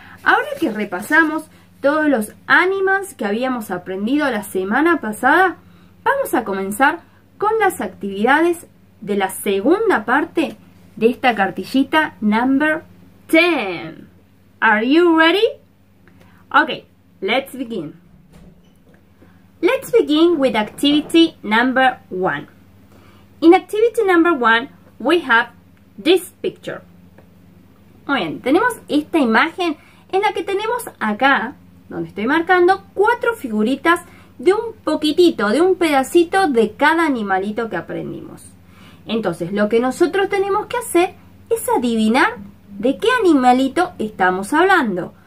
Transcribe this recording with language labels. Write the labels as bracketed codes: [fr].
[es] Ahora que repasamos todos los animals que habíamos aprendido la semana pasada, vamos a comenzar con las actividades de la segunda parte de esta cartillita number 10. [en] Are you ready? Okay, let's begin. Let's begin with activity number 1. In activity number 1, we have this picture. [es] Muy bien, tenemos esta imagen en la que tenemos acá, donde estoy marcando, cuatro figuritas de un poquitito, de un pedacito de cada animalito que aprendimos. Entonces, lo que nosotros tenemos que hacer es adivinar de qué animalito estamos hablando.